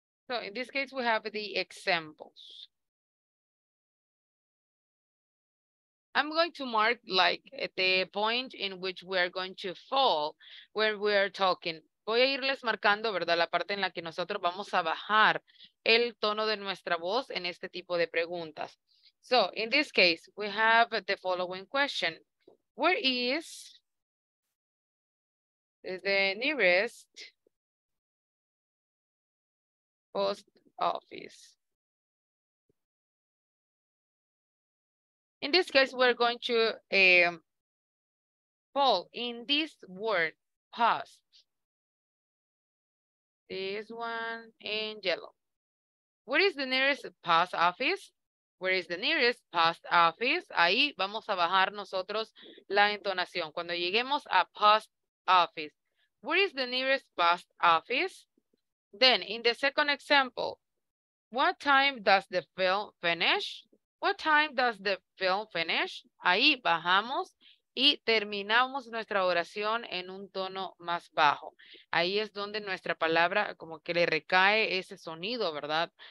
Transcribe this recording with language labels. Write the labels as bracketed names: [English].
[English] So in this case, we have the examples. I'm going to mark like the point in which we are going to fall when we are talking. [Spanish] Voy a irles marcando, ¿verdad? La parte en la que nosotros vamos a bajar el tono de nuestra voz en este tipo de preguntas. [English] So in this case, we have the following question. Where is the nearest post office? In this case, we're going to fall in this word, post. This one in yellow. Where is the nearest post office? Where is the nearest post office? [Spanish] Ahí vamos a bajar nosotros la entonación. Cuando lleguemos a [English] post office. Where is the nearest post office? Then, in the second example, what time does the film finish? What time does the film finish? [Spanish] Ahí bajamos y terminamos nuestra oración en un tono más bajo. Ahí es donde nuestra palabra como que le recae ese sonido, ¿verdad?